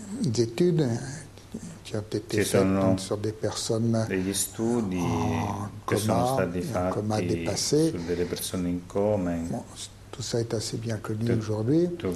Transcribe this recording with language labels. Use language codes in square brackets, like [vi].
[fr] Des études qui ont été faites sur des personnes [it] degli studi che sono stati fatti su delle persone in coma. [fr] Tout ça est assez bien connu aujourd'hui.